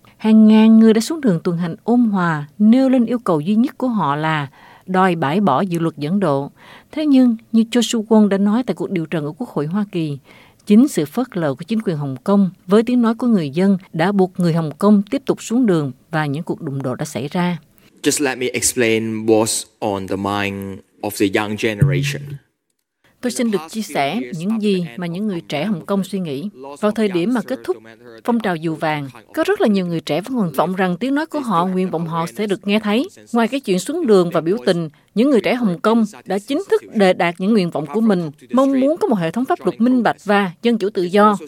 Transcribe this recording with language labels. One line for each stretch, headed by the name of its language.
Vietnamese: Hàng ngàn người đã xuống đường tuần hành ôn hòa, nêu lên yêu cầu duy nhất của họ là đòi bãi bỏ dự luật dẫn độ. Thế nhưng, như Joshua Wong đã nói tại cuộc điều trần ở Quốc hội Hoa Kỳ, chính sự phớt lờ của chính quyền Hồng Kông với tiếng nói của người dân đã buộc người Hồng Kông tiếp tục xuống đường và những cuộc đụng độ đã xảy ra.
English: Just let me explain what's on the mind of the young generation.
Vietnamese: Tôi xin được chia sẻ những gì mà những người trẻ Hồng Kông suy nghĩ. Vào thời điểm mà kết thúc phong trào dù vàng, có rất là nhiều người trẻ vẫn hy vọng rằng tiếng nói của họ, nguyện vọng họ sẽ được nghe thấy. Ngoài cái chuyện xuống đường và biểu tình, những người trẻ Hồng Kông đã chính thức đề đạt những nguyện vọng của mình, mong muốn có một hệ thống pháp luật minh bạch và dân chủ tự do.